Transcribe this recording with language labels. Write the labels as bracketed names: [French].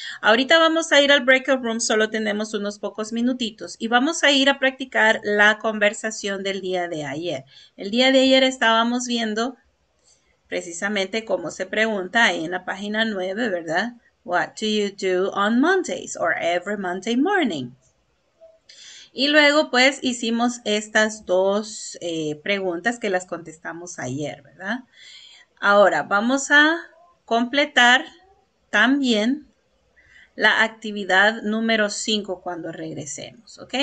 [Spanish] Ahorita vamos a ir al breakout room, solo tenemos unos pocos minutitos y vamos a ir a practicar la conversación del día de ayer. El día de ayer estábamos viendo precisamente cómo se pregunta ahí en la página 9, ¿verdad? [English] What do you do on Mondays or every Monday morning? [Spanish] Y luego, pues, hicimos estas dos preguntas que las contestamos ayer, ¿verdad? Ahora, vamos a completar también la actividad número 5 cuando regresemos, ¿ok?